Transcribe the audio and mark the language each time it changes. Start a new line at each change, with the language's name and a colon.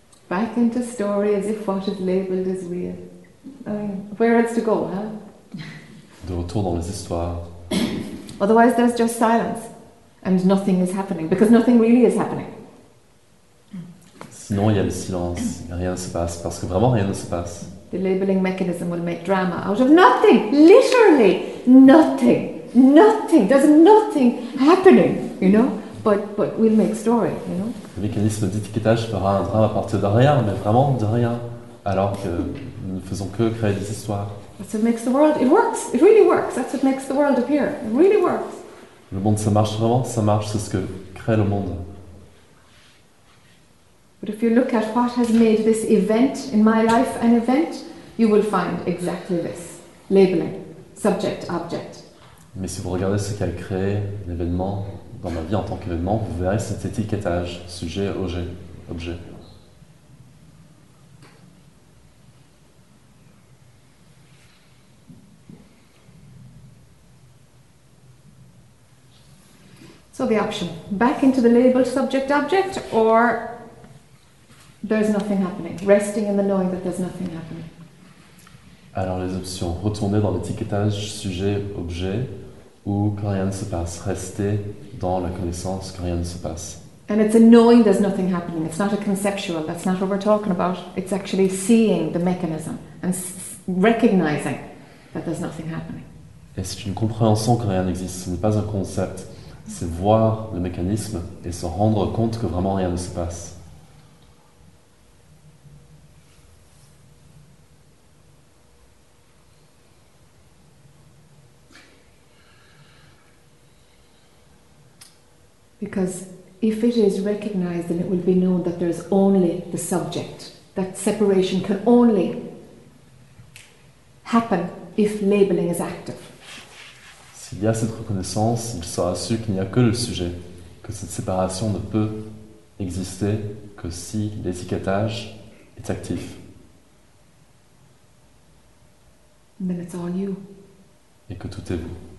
English: Back into story as if what is labeled is real. I mean, where else to go, huh?
French: de retour dans les histoires.
English: Otherwise, there's just silence, and nothing is happening, because nothing really is happening.
French: Sinon, il y a le silence, rien ne se passe, parce que vraiment rien ne se passe.
English: The labeling mechanism will make drama out of nothing, literally nothing, nothing, there's nothing happening, you know, but we'll make story, you know.
French: Le mécanisme d'étiquetage fera un drame à partir de rien, mais vraiment de rien, alors que nous ne faisons que créer des histoires.
English: That's what makes the world, it works, it really works, that's what makes the world appear, it really works.
French: Le monde, ça marche vraiment, ça marche, c'est ce que crée le monde.
English: But if you look at what has made this event in my life an event, you will find exactly this. Labeling, subject, object.
French: Mais si vous regardez ce qu'a créé l'événement dans ma vie en tant qu'événement, vous verrez cet étiquetage, sujet, objet, objet.
English: So the option, back into the label subject object, or there's nothing happening, resting in the knowing that there's nothing happening.
French: Alors les options, retourner dans l'étiquetage sujet objet, ou quand rien ne se passe, rester dans la connaissance quand rien ne se passe.
English: And it's a knowing there's nothing happening. It's not a conceptual. That's not what we're talking about. It's actually seeing the mechanism and recognizing that there's nothing happening.
French: Et c'est une compréhension que rien n'existe. Ce n'est pas un concept. C'est voir le mécanisme et se rendre compte que vraiment rien ne se passe.
English: Because if it is recognized, then it will be known that there is only the subject. That separation can only happen if labeling is active.
French: S'il y a cette reconnaissance, il sera su qu'il n'y a que le sujet, que cette séparation ne peut exister que si l'étiquetage est actif.
English: And then it's all you.
French: Et que tout est vous.